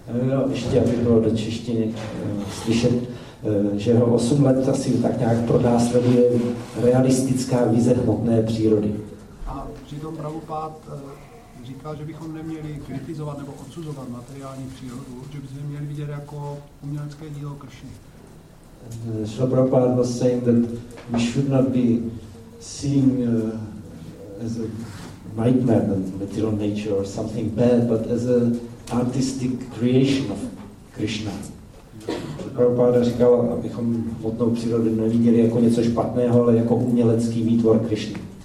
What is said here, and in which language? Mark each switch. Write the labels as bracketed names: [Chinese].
[Czech] Jo, ještě aby bylo do češtiny slyšet, že ho 8 let asi tak nějak pronásleduje realistická vize hmotné přírody. A přitom Prabhupád říkal, že bychom neměli kritizovat nebo odsuzovat materiální přírodu, že bychom měli vidět jako umělecké dílo Krishny. [English] Srila Prabhupada was saying that we should not be seeing as a nightmare of material nature or something bad, but as an artistic creation of Krishna. [Czech] Prabhupada říkal, abychom hmotnou přírodu neviděli jako něco špatného, ale jako umělecký výtvor Krishny.